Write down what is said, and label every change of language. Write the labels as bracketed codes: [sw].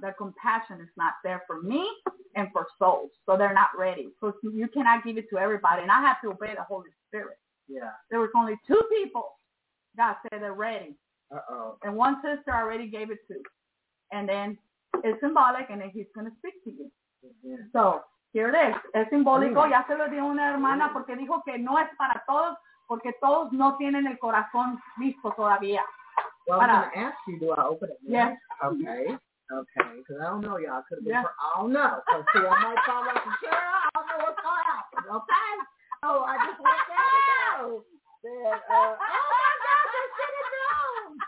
[en] Their compassion is not there for me and for souls. So they're not ready. So you cannot give it to everybody. And I have to obey the Holy Spirit. Yeah. There was only two people that said they're ready. Uh-oh. And one sister already gave it to. And then it's symbolic, and then he's going to speak to you. Mm-hmm. So here it is. [es] Es simbólico. Ya se lo dio una hermana porque dijo que no es para todos porque todos no tienen el corazón listo todavía. [en] Well, I'm going to ask you, do I open it? Yes. Okay. Okay. Because I don't know, y'all. Could have been for, I don't know. So, see, I might fall off the chair. I don't know what's going on. Okay. Oh, so, I just went there to go. Then, oh, my God, they're sitting down.